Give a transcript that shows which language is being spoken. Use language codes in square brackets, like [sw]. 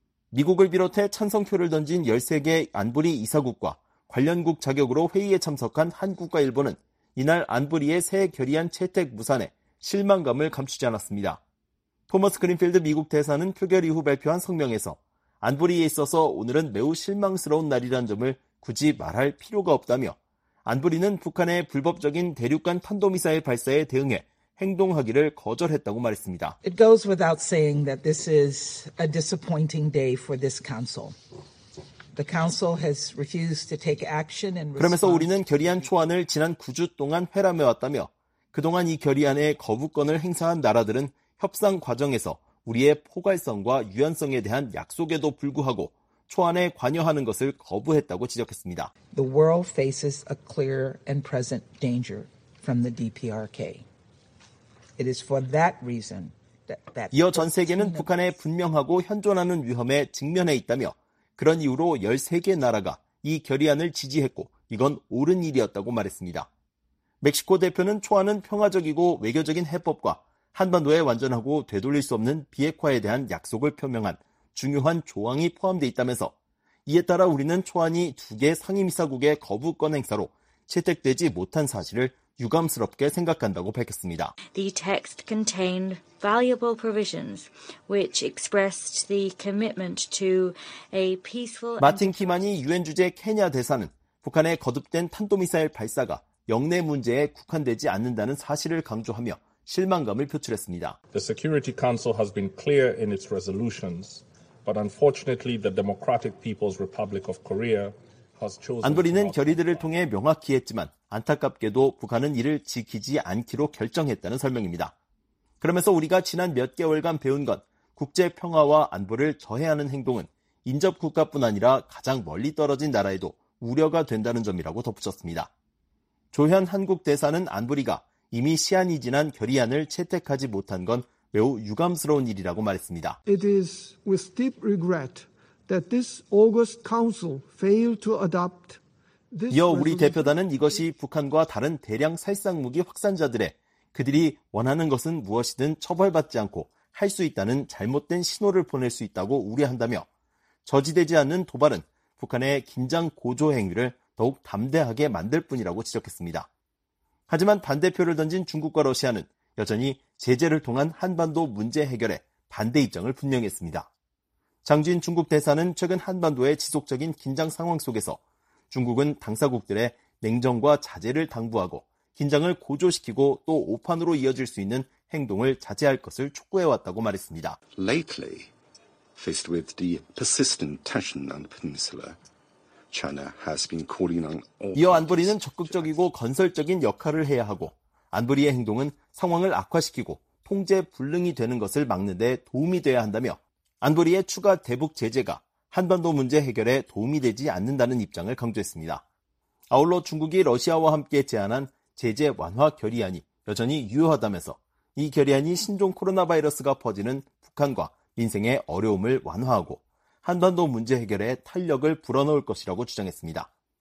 [ko] 미국을 비롯해 찬성표를 던진 13개 안보리 이사국과 관련국 자격으로 회의에 참석한 한국과 일본은 이날 안보리의 새 결의안 채택 무산에 실망감을 감추지 않았습니다. 토머스 그린필드 미국 대사는 표결 이후 발표한 성명에서 안보리에 있어서 오늘은 매우 실망스러운 날이라는 점을 굳이 말할 필요가 없다며 안보리는 북한의 불법적인 대륙간 탄도미사일 발사에 대응해 행동하기를 거절했다고 말했습니다. [en] It goes without saying that this is a disappointing day for this council. The council has refused to take action and [ko] 그러면서 우리는 결의안 초안을 지난 9주 동안 회람해 왔다며 그동안 이 결의안에 거부권을 행사한 나라들은 협상 과정에서 우리의 포괄성과 유연성에 대한 약속에도 불구하고 초안에 관여하는 것을 거부했다고 지적했습니다. [en] The world faces a clear and present danger from the DPRK. It is for that reason that [ko] 이어 전 세계는 북한의 분명하고 현존하는 위험에 직면해 있다며 그런 이유로 13개 나라가 이 결의안을 지지했고 이건 옳은 일이었다고 말했습니다. 멕시코 대표는 초안은 평화적이고 외교적인 해법과 한반도의 완전하고 되돌릴 수 없는 비핵화에 대한 약속을 표명한 중요한 조항이 포함돼 있다면서 이에 따라 우리는 초안이 2개 상임이사국의 거부권 행사로 채택되지 못한 사실을 유감스럽게 생각한다고 밝혔습니다. [en] The text contained valuable provisions which expressed the commitment to a peaceful [ko] 마틴 키마니 유엔 주재 케냐 대사는 북한의 거듭된 탄도미사일 발사가 영내 문제에 국한되지 않는다는 사실을 강조하며 실망감을 표출했습니다. [en] The Security Council has been clear in its resolutions, but unfortunately the Democratic People's Republic of Korea [ko] 안보리는 결의들을 통해 명확히 했지만 안타깝게도 북한은 이를 지키지 않기로 결정했다는 설명입니다. 그러면서 우리가 지난 몇 개월간 배운 건 국제 평화와 안보를 저해하는 행동은 인접 국가뿐 아니라 가장 멀리 떨어진 나라에도 우려가 된다는 점이라고 덧붙였습니다. 조현 한국 대사는 안보리가 이미 시한이 지난 결의안을 채택하지 못한 건 매우 유감스러운 일이라고 말했습니다. [en] It is with deep regret that this August Council failed to adopt this [ko] 이어 우리 대표단은 이것이 북한과 다른 대량 살상무기 확산자들의 그들이 원하는 것은 무엇이든 처벌받지 않고 할 수 있다는 잘못된 신호를 보낼 수 있다고 우려한다며 저지되지 않는 도발은 북한의 긴장 고조 행위를 더욱 담대하게 만들 뿐이라고 지적했습니다. 하지만 반대표를 던진 중국과 러시아는 여전히 제재를 통한 한반도 문제 해결에 반대 입장을 분명했습니다. 장진 중국 대사는 최근 한반도의 지속적인 긴장 상황 속에서 중국은 당사국들의 냉정과 자제를 당부하고 긴장을 고조시키고 또 오판으로 이어질 수 있는 행동을 자제할 것을 촉구해왔다고 말했습니다. [en] Lately, faced with the persistent tension on the peninsula, China has been calling on [ko] 이어 안보리는 적극적이고 건설적인 역할을 해야 하고 안보리의 행동은 상황을 악화시키고 통제 불능이 되는 것을 막는 데 도움이 돼야 한다며 안보리의 추가 대북 제재가 한반도 문제 해결에 도움이 되지 않는다는 입장을 강조했습니다. 아울러 중국이 러시아와 함께 제안한 제재 완화 결의안이 여전히 유효하다면서 이 결의안이 신종 코로나 바이러스가 퍼지는 북한과 민생의 어려움을 완화하고 한반도 문제 해결에 탄력을 불어넣을 것이라고 주장했습니다.